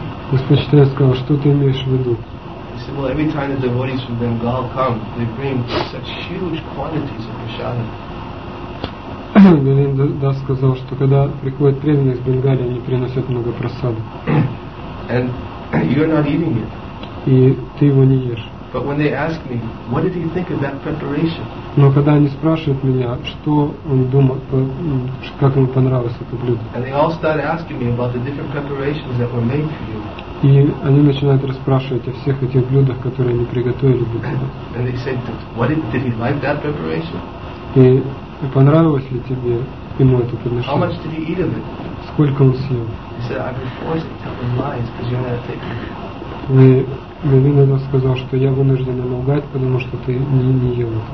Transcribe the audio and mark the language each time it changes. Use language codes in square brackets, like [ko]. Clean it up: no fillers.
[ru] Господь Чайтанья сказал, что ты имеешь в виду? [en] He said, well, every time the devotees from Bengal come, they bring such huge quantities of prasadam. [ru] Говиндадас сказал, что когда приходят преданные из Бенгали, они приносят много прасада. [en] And you're not eating it. [ru] И ты его не ешь. [en] But when they ask me, what did he think of that preparation? [ru] Но когда они спрашивают меня, что он думал, как ему понравилось это блюдо. [en] And they all start asking me about the different preparations that were made for you. [ru] И они начинают расспрашивать о всех этих блюдах, которые они приготовили для тебя. [en] And they said, did he like that preparation? [ru] И понравилось ли тебе ему это подношение? [en] How much did he eat of it? [ru] Сколько он съел? [en] He said, I've been forced to tell him lies because you're not taking it. [ru] И Говиндадас сказал, что я вынужден лгать, потому что ты не ел